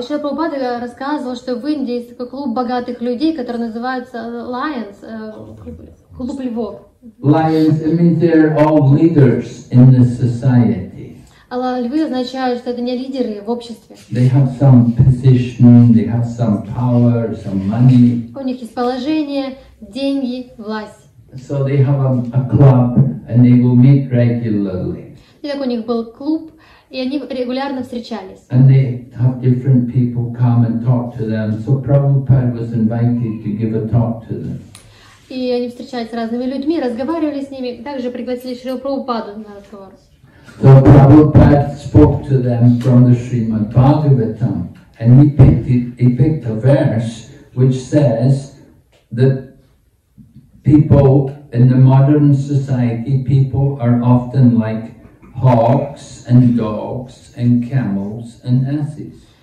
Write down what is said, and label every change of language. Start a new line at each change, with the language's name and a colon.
Russian: Шрила Прабхупада рассказывал, что в Индии есть такой клуб богатых людей, который называется Lions, клуб львов.
English: Lions, it means they're all leaders in the society.
Russian: Львы означают, что это не лидеры в обществе.
English: They have some position, they have some power, some money.
Russian: У них есть положение, деньги, власть.
English: So they have a club and they will meet regularly.
Russian: И так у них был клуб, и они регулярно встречались.
English: And they have different people come and talk to them. So Prabhupada was invited to give a talk to them.
Russian: И они встречались с разными людьми, разговаривали с ними, также пригласили Шрилу Прабхупаду на разговор.
English: So Prabhupada spoke to them from the Srimad Bhagavatam, and he picked a verse which says that people in the modern society, people are often like hawks and dogs and camels and asses.